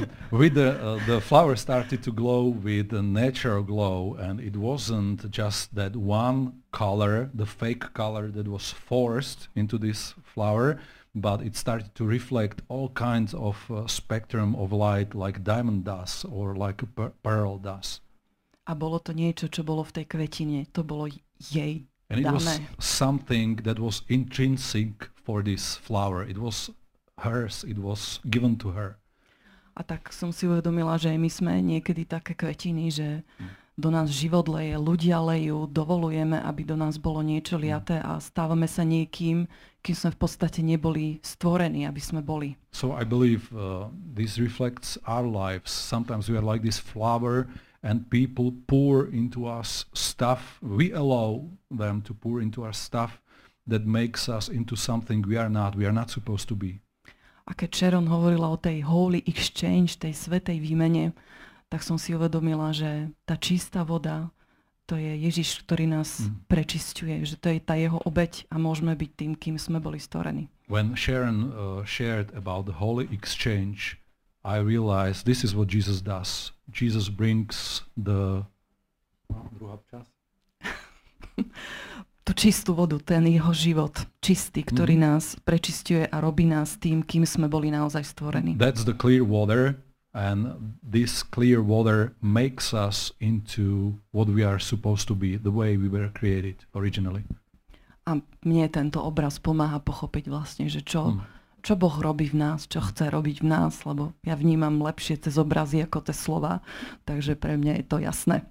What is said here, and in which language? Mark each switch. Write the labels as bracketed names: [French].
[English] With the flower started to glow with a natural glow and it wasn't just that one color, the fake color that was forced into this flower, but it started to reflect all kinds of spectrum of light like diamond dust or like pearl dust. [Slovak] A bolo to niečo, čo bolo v tej kvetine. To bolo jej dané. [English] And it was something that was intrinsic for this flower. It was hers, it was given to her. [Slovak] A tak som si uvedomila, že my sme niekedy také kvetiny, že do nás život leje, ľudia lejú, dovolujeme, aby do nás bolo niečo liaté a stávame sa niekým, kým sme v podstate neboli stvorení, aby sme boli. [English] So I believe this reflects our lives. Sometimes we are like this flower and people pour into us stuff. We allow them to pour into us stuff that makes us into something we are not. We are not supposed to be. [Slovak] A keď Sharon hovorila o tej [English] holy exchange, [Slovak] tej svätej výmene, tak som si uvedomila, že tá čistá voda, to je Ježiš, ktorý nás prečisťuje, že to je tá jeho obeť a môžeme byť tým, kým sme boli stvorení. [English] When Sharon shared about the holy exchange, I realized this is what Jesus does. Jesus brings the druhá čas. [Slovak] Tú čistú vodu, ten jeho život čistý, ktorý nás prečisťuje a robí nás tým, kým sme boli naozaj stvorení. [English] That's the clear water. And this clear water makes us into what we are supposed to be, the way we were created originally. [Slovak] A mne tento obraz pomáha pochopiť vlastne, že čo Boh robí v nás, čo chce robiť v nás, lebo ja vnímam lepšie cez obrazy ako tie slova, takže pre mňa je to jasné.